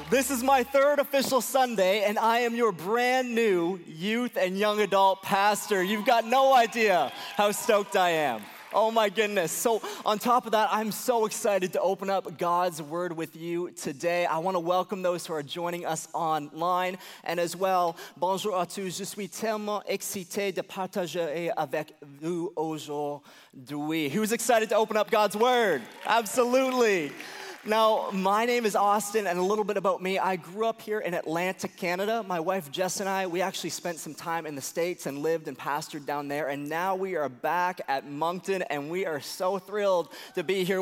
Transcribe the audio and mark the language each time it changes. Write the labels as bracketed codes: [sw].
[en] This is my third official Sunday, and I am your brand new youth and young adult pastor. You've got no idea how stoked I am. Oh my goodness. So on top of that, I'm so excited to open up God's word with you today. I want to welcome those who are joining us online. And as well, [fr] bonjour à tous. Je suis tellement excité de partager avec vous aujourd'hui. [en] Who's excited to open up God's word? Absolutely. Now, my name is Austin, and a little bit about me. I grew up here in Atlanta, Canada. My wife, Jess, and I, we actually spent some time in the States and lived and pastored down there, and now we are back at Moncton, and we are so thrilled to be here.